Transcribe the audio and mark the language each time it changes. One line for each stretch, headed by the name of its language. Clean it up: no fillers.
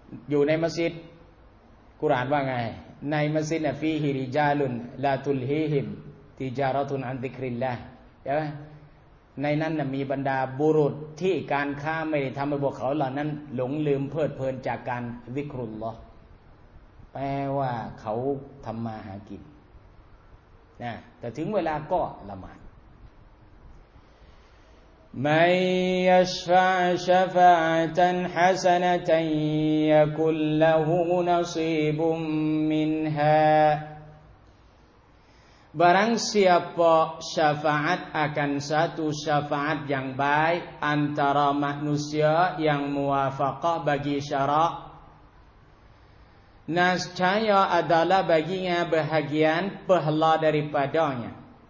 Thai: อยู่ในมัสยิดกุรอานว่าไงในมัสยิด
Arabic: ฟีฮิริจาลุนลาตุลฮีฮิมติจาระตุนอันติกริลละ
Thai: ใช่ไหมในนั้นมีบรรดาบุรุษที่การค้าไม่ได้ทำให้พวกเขาเหล่านั้นหลงลืมเพลิดเพลินจากการวิเคราะห์ละแปลว่าเขาทำมาหากินนะแต่ถึงเวลาก็ละหมาด
Arabic: من يشفع شفاعة حسنة يكن له نصيب منها.
Malay: Barang siapa syafaat akan satu syafaat yang baik antara manusia yang muwafaqah bagi syarak, nascaya adalah baginya bahagian pahala daripadanya.